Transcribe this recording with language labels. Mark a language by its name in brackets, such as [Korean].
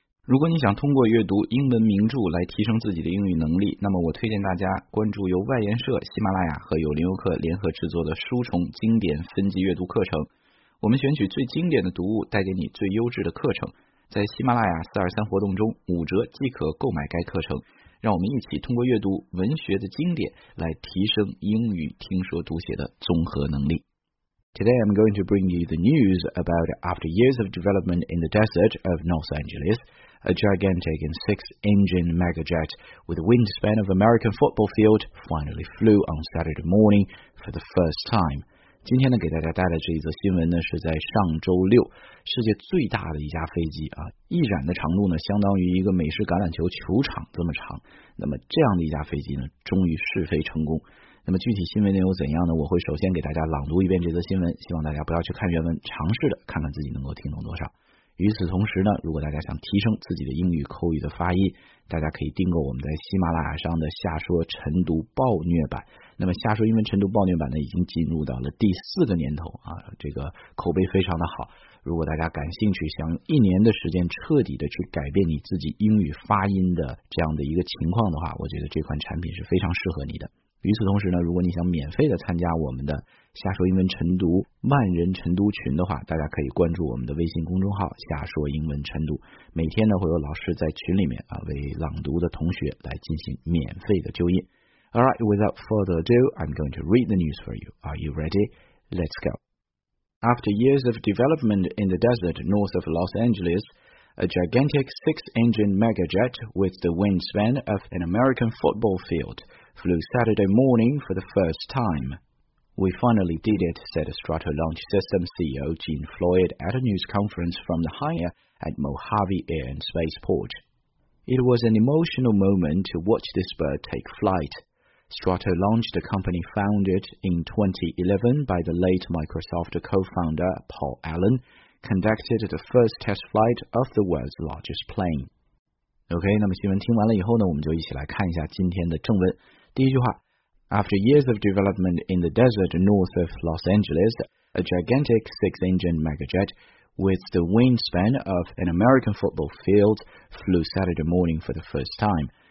[Chinese] 如果你想通过阅读英文名著来提升自己的英语能力，那么我推荐大家关注由外研社、喜马拉雅和有林游客联合制作的书虫经典分级阅读课程。我们选取最经典的读物，带给你最优质的课程。在喜马拉雅423活动中，五折即可购买该课程。让我们一起通过阅读文学的经典来提升英语听说读写的综合能力。 [English] Today I'm going to bring you the news about after years of development in the desert of Los Angeles, a gigantic and six-engine megajet with a wingspan of American football field finally flew on Saturday morning for the first time. [Chinese] 今天呢，给大家带来这一则新闻呢，是在上周六，世界最大的一架飞机啊，翼展的长度呢，相当于一个美式橄榄球球场这么长。那么这样的一架飞机呢，终于试飞成功。那么具体新闻内容怎样呢？我会首先给大家朗读一遍这则新闻，希望大家不要去看原文，尝试的看看自己能够听懂多少。与此同时呢，如果大家想提升自己的英语口语的发音，大家可以订购我们在喜马拉雅上的下说晨读暴虐版。那么下说英文晨读暴虐版呢，已经进入到了第四个年头啊，这个口碑非常的好。如果大家感兴趣，想用一年的时间彻底的去改变你自己英语发音的这样的一个情况的话，我觉得这款产品是非常适合你的。与此同时呢，如果你想免费的参加我们的下说英文晨读万人晨读群的话，大家可以关注我们的微信公众号下说英文晨读，每天呢会有老师在群里面啊为朗读的同学来进行免费的纠音。 [English] Alright, without further ado, I'm going to read the news for you. Are you ready? Let's go. After years of development in the desert north of Los Angeles, a gigantic six-engine megajet with the wingspan of an American football fieldflew Saturday morning for the first time. We finally did it, said Strato Launch Systems CEO Gene Floyd at a news conference from the hangar at Mojave Air and Spaceport. It was an emotional moment to watch this bird take flight. Strato Launch, the company founded in 2011 by the late Microsoft co-founder Paul Allen, conducted the first test flight of the world's largest plane. [Chinese] OK, 那么新闻听完了以后呢，我们就一起来看一下今天的正文。第一句话， [English] After years of development in the desert north of Los Angeles, a gigantic six-engine megajet with the wingspan of an American football field flew Saturday morning for the first time.